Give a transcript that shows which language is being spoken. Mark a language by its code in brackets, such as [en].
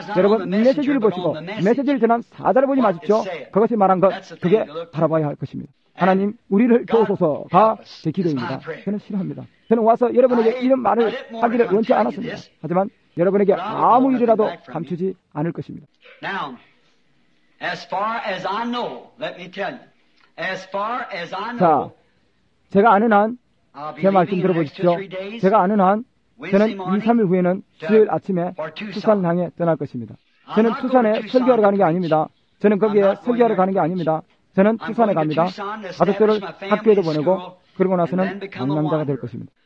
[ko] 여러분, 메시지를 보시고 메시지를 전한 사자를 보지 마십시오. 그것이 말한 것, 그게 바라봐야 할 것입니다. 하나님, 우리를 도우소서가 제 기도입니다. 저는 싫어합니다. 저는 와서 여러분에게 이런 말을 하기를 원치 않았습니다. 하지만 여러분에게 아무 일이라도 감추지 않을 것입니다. [en] Now, as far as I know, let me tell you, as far as I know, [ko] 자, 제가 아는 한 제 말 좀 들어보십시오. 제가 아는 한 저는 2, 3일 후에는 수요일 아침에 투산을 향해 떠날 것입니다. 저는 투산에 설교하러 가는 게 아닙니다. 저는 거기에 설교하러 가는 게 아닙니다. 저는 투산에 갑니다. 아들들을 학교에도 보내고 그리고 나서는 남자가 될 것입니다.